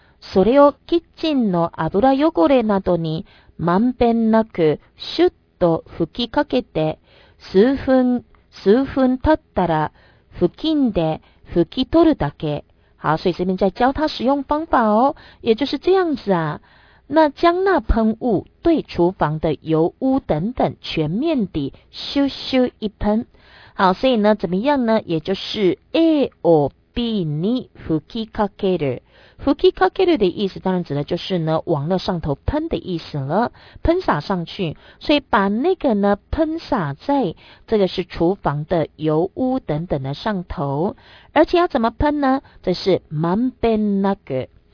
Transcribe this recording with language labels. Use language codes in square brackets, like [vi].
[ja] それをキッチンの油汚れなどにまんべんなくシュッと吹きかけて、数分経ったら布巾で拭き取るだけ。 [zh] 好，所以这边在教他使用方法哦，也就是这样子啊。那将那喷雾对厨房的油污等等全面地咻咻一喷。好，所以呢，怎么样呢？也就是 [ja] A or B に吹きかける。 [zh] 吹きかける的意思当然指的就是呢往那上头喷的意思了，喷洒上去。所以把那个呢喷洒在这个是厨房的油污等等的上头。而且要怎么喷呢？这是满遍那个。